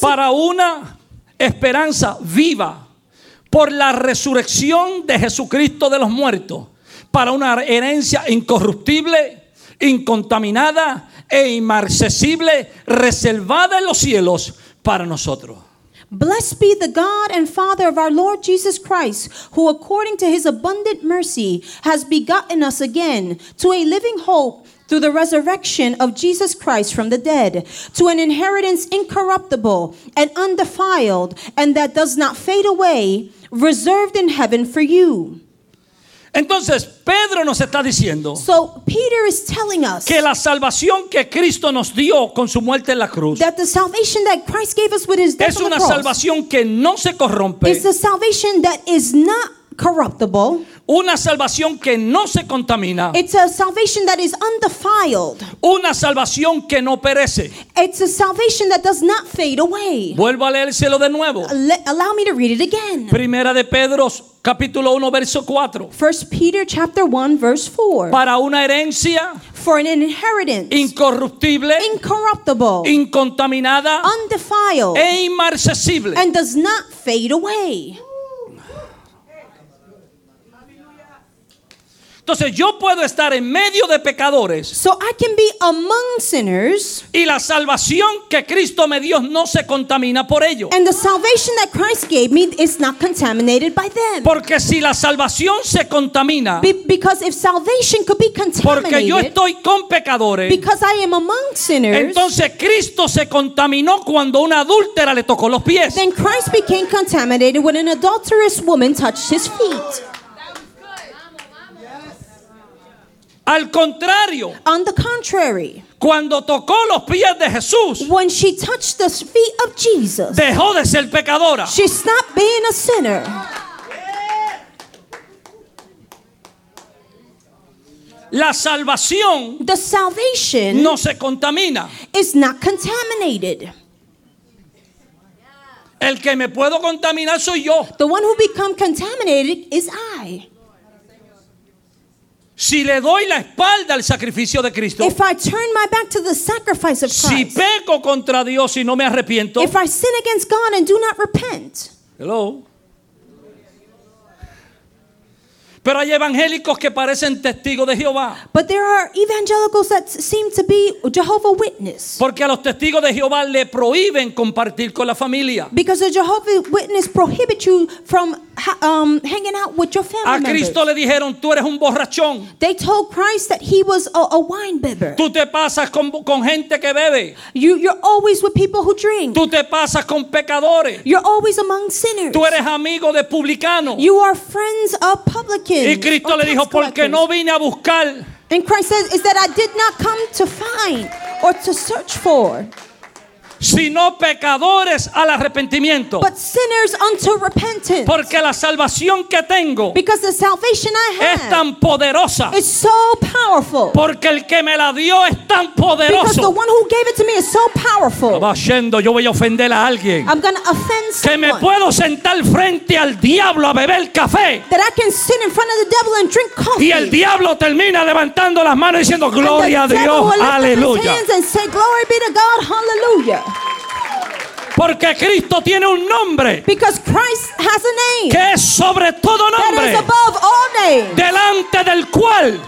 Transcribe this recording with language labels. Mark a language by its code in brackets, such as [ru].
[es] para una esperanza viva por la resurrección de Jesucristo de los muertos, para una herencia incorruptible, incontaminada e inaccesible, reservada en los cielos para nosotros. [en] Blessed be the God and Father of our Lord Jesus Christ, who according to his abundant mercy has begotten us again to a living hope through the resurrection of Jesus Christ from the dead, to an inheritance incorruptible and undefiled and that does not fade away, reserved in heaven for you. [es] Entonces, Pedro nos está diciendo, [en] so Peter is telling us, [es] que la salvación que Cristo nos dio con su muerte en la cruz, [en] that the salvation that Christ gave us with his death on the cross, [es] es una salvación que no se corrompe, [en] is a salvation that is not corruptible, [es] una salvación que no se contamina, [en] it's a salvation that is undefiled, [es] una salvación que no perece, [en] it's a salvation that does not fade away. [es] Vuelvo a leérselo de nuevo. [en] Allow me to read it again. [es] Primera de Pedro, capítulo 1, verso 4. [en] 1 Peter chapter 1, verse 4. [es] Para una herencia, [en] for an inheritance, [es] incorruptible, [en] incorruptible, [es] incontaminada, [en] undefiled, [es] e inmarcesible, [en] and does not fade away. [es] Entonces yo puedo estar en medio de pecadores, [en] so I can be among sinners, [es] y la salvación que Cristo me dio no se contamina por ello. [en] And the salvation that Christ gave me is not contaminated by them. [es] Porque si la salvación se contamina, [en] because if salvation could be contaminated, [es] porque yo estoy con pecadores, [en] because I am among sinners, [es] entonces Cristo se contaminó cuando una adúltera le tocó los pies. [en] Then Christ became contaminated when an adulterous woman touched his feet. [es] Al contrario, [en] on the contrary, [es] cuando tocó los pies de Jesús, [en] when she touched the feet of Jesus, [es] dejó de ser pecadora. [en] She stopped being a sinner. [es] La salvación, [en] the salvation, [es] no se contamina. [en] Is not contaminated. [es] El que me puedo contaminar soy yo. [en] The one who become contaminated is I. [es] Si le doy la espalda al sacrificio de Cristo, [en] if I turn my back to the sacrifice of Christ, [es] si peco contra Dios y no me arrepiento, [en] if I sin against God and do not repent, hello. [es] Pero hay evangélicos que parecen testigos de Jehová. [en] But there are evangelicals that seem to be Jehovah Witness. [es] Porque a los testigos de Jehová le prohíben compartir con la familia. [en] Because the Jehovah Witness prohibit you from hanging out with your family members. [es] A Cristo le dijeron, tú eres un borrachón. [en] They told Christ that he was a wine bibber. [es] Tú te pasas con gente que bebe. [en] You're always with people who drink. [es] Tú te pasas con pecadores. [en] You're always among sinners. [es] Tú eres amigo de publicanos. [en] You are friends of publicans. [es] Y Cristo le dijo, porque no vine a buscar. [en] And Christ says, is that I did not come to find or to search for, [es] sino pecadores al arrepentimiento. [en] But sinners unto repentance. [es] Porque la salvación que tengo, [en] because the salvation I have, [es] es tan poderosa. [en] Is so powerful. [es] Porque el que me la dio es tan poderoso. [en] Because the one who gave it to me is so powerful. [es] Yendo, yo voy a ofender a alguien. [en] I'm going to offend someone. [es] Que me puedo sentar frente al diablo a beber café. [en] That I can sit in front of the devil and drink coffee. [es] Y el diablo termina levantando las manos diciendo, gloria a Dios, aleluya. [en] And say, glory be to God, hallelujah. [es] Porque Cristo tiene un nombre, [en] because Christ has a name, [es] que es sobre todo nombre, [en] that is above all name, [es] delante del cual,